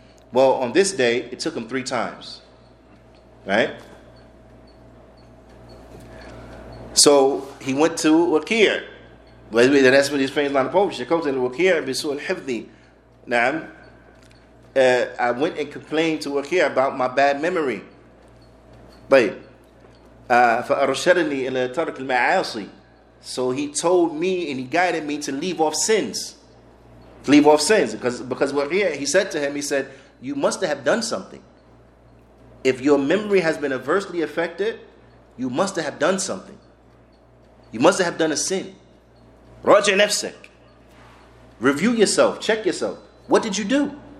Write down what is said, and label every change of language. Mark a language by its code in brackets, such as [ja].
[en] Well, on this day, it took him 3 times, right? So he went to Wakir. That's what his famous line of poetry. [ar] Shakot al Wakir Bisul Hivdi. [en] Now, I went and complained to Wakir about my bad memory. [ar] فأرشدني إلى ترك المعاصي. [en] So he told me and he guided me to leave off sins. Leave off sins. Because Wakir, he said to him, he said, you must have done something. If your memory has been adversely affected, you must have done something. You must have done a sin. [ar] راجع نفسك. [en] Review yourself. Check yourself. What did you do?